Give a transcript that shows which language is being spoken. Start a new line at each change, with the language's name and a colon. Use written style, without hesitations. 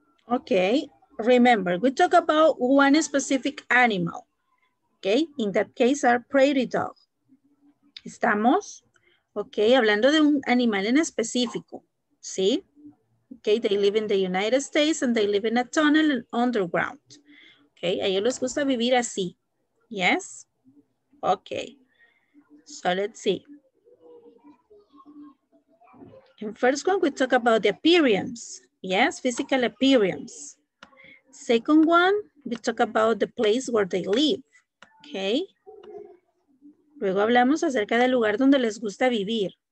English: okay, remember, we talk about one specific animal, okay? In that case, our prairie dog.
Spanish: Estamos, okay, hablando de un animal en específico, ¿sí?
English: Okay, they live in the United States and they live in a tunnel and underground.
Spanish: Okay, a ellos les gusta vivir así. Yes? Okay.
English: So let's see. In first one, we talk about the appearance. Yes, physical appearance. Second one, we talk about the place where they live. Okay.
Spanish: Luego hablamos acerca del lugar donde les gusta vivir.